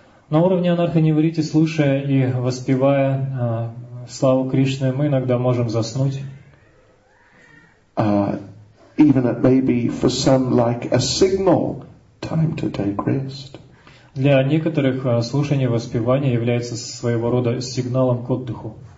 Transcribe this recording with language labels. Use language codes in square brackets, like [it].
[ru] На уровне анатта нивритти, слушая и воспевая славу Кришны, мы иногда можем заснуть. [en] Even it may be for some like a signal, time to take rest. [ru] Для некоторых слушание воспевания является своего рода сигналом к отдыху.